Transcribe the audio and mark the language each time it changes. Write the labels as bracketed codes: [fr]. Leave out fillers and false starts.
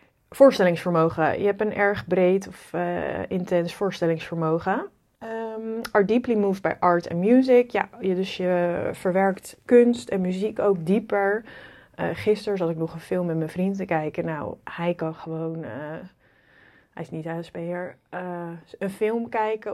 [nl] Voorstellingsvermogen. Je hebt een erg breed of intens voorstellingsvermogen. [en] Are deeply moved by art and music. [nl] Ja, dus je verwerkt kunst en muziek ook dieper. Gisteren zat ik nog een film met mijn vriend te kijken. Hij kan gewoon, hij is niet HSP'er, een film kijken.